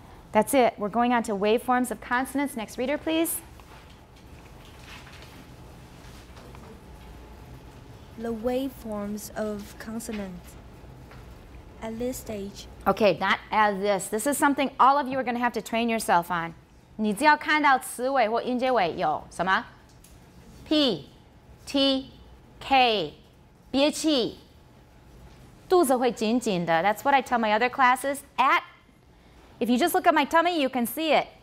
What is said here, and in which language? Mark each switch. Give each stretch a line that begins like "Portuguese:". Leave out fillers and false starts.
English: That's it. We're going on to waveforms of consonants. Next reader, please. The waveforms of consonants at this stage. Okay, not at this. This is something all of you are going to have to train yourself on.
Chinese: 你只要看到词尾或音节尾有什么 P, T, K, 憋气，肚子会紧紧的。
English: That's what I tell my other classes. At, if you just look at my tummy, you can see it.